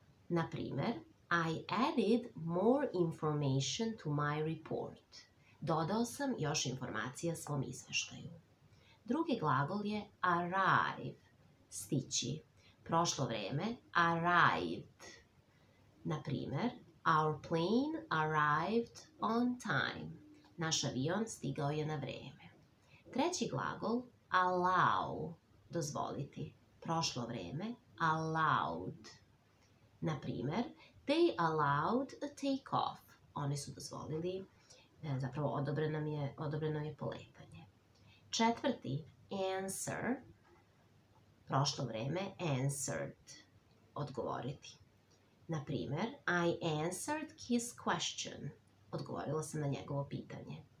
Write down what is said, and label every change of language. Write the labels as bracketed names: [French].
[English] Naprimer, I added more information to my report. [Serbian] Dodao sam još informacija svom izveštaju. Drugi glagol je arrive, stići. Prošlo vreme arrived. [English] Naprimer, our plane arrived on time. [Serbian] Naš avion stigao je na vreme. Treći glagol, allow, dozvoliti. Prošlo vreme, allowed. Naprimer, [English] they allowed a take-off. [Serbian] Oni su dozvolili, zapravo odobreno je poletanje. Četvrti, answer. Prošlo vreme, answered. Odgovoriti. [English] Naprimer, I answered his question. [Serbian] Odgovorila sam na njegovo pitanje.